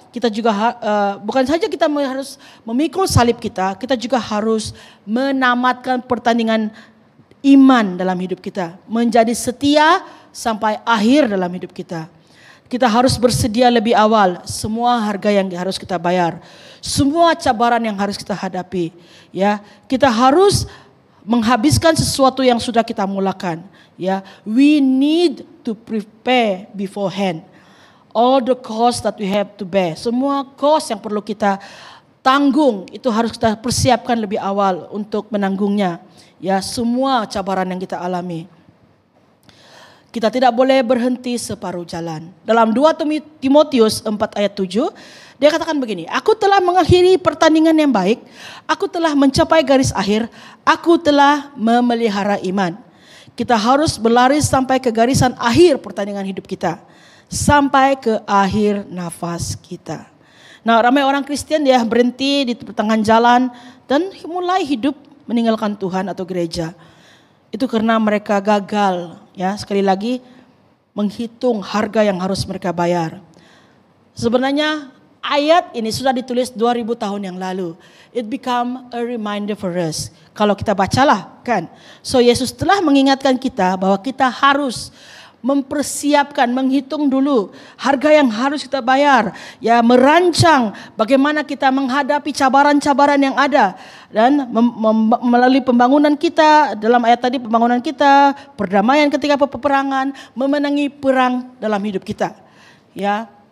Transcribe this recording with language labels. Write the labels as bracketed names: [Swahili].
[Malay] Kita juga bukan saja kita harus memikul salib kita, kita juga harus menamatkan pertandingan iman dalam hidup kita, menjadi setia sampai akhir dalam hidup kita. Kita harus bersedia lebih awal semua harga yang harus kita bayar, semua cabaran yang harus kita hadapi, ya. Kita harus menghabiskan sesuatu yang sudah kita mulakan, ya. [English] We need to prepare beforehand. All the cost that we have to bear. [Malay] Semua cost yang perlu kita tanggung itu harus kita persiapkan lebih awal untuk menanggungnya. Ya, semua cabaran yang kita alami. Kita tidak boleh berhenti separuh jalan. Dalam 2 Timotius 4 ayat 7, dia katakan begini, aku telah mengakhiri pertandingan yang baik, aku telah mencapai garis akhir, aku telah memelihara iman. Kita harus berlari sampai ke garisan akhir pertandingan hidup kita. Sampai ke akhir nafas kita. Nah, ramai orang Kristen dia berhenti di pertengahan jalan dan mulai hidup meninggalkan Tuhan atau gereja. Itu karena mereka gagal, ya, sekali lagi menghitung harga yang harus mereka bayar. Sebenarnya ayat ini sudah ditulis 2000 tahun yang lalu. [English] It become a reminder for us. [Malay] Kalau kita bacalah, kan. So Yesus telah mengingatkan kita bahwa kita harus mempersiapkan, menghitung dulu harga yang harus kita bayar, ya, merancang bagaimana kita menghadapi cabaran-cabaran yang ada dan melalui pembangunan kita, dalam ayat tadi pembangunan kita, perdamaian ketika peperangan, memenangi perang dalam hidup kita, ya.